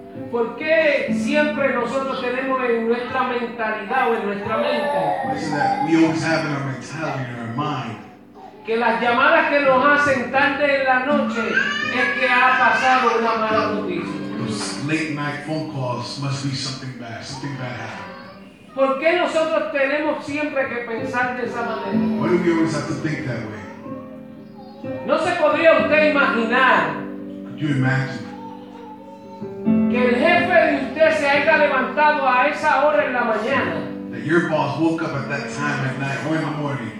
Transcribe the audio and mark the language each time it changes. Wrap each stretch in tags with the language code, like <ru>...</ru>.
<es>¿Por qué siempre nosotros tenemos en nuestra mentalidad o en nuestra mente? Que las llamadas que nos hacen tarde en la noche es que ha pasado una mala noticia.</es> <en>Those late night phone calls must be something bad. Something bad happened.</en> <es>¿Por qué nosotros tenemos siempre que pensar de esa manera?</es> <en>Why do we always have to think that way?</en> <es>¿No se podría usted imaginar?</es> <en>Could you imagine?</en> <es>Que el jefe de usted se haya levantado a esa hora en la mañana.</es> <en>That your boss woke up at that time at night or in the morning.</en>